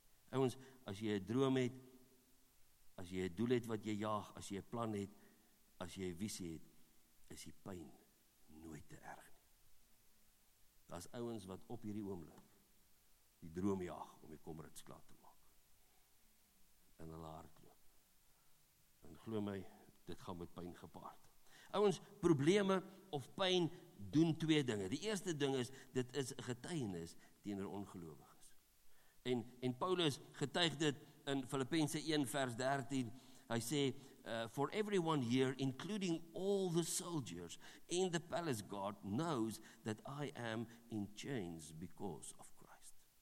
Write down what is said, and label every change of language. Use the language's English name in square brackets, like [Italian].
[Afrikaans] Ouens, as jy 'n droom het, as jy 'n doel het wat jy jaag, as jy 'n plan het, as jy 'n visie het, is die pyn nooit te erg nie. Daar's ouens wat op hierdie oomblik die droom jaag om die komrits klaar te maak. En hulle hardloop. En glo my, dit gaan met pyn gepaard. Ouens, probleme of pyn doen 2 dinge. Die eerste ding is, dit is 'n getuienis teenoor ongelowiges. En Paulus getuig dit in Filippense 1 vers 13, hy sê, [English] for everyone here, including all the soldiers in the palace guard, knows that I am in chains because of Christ.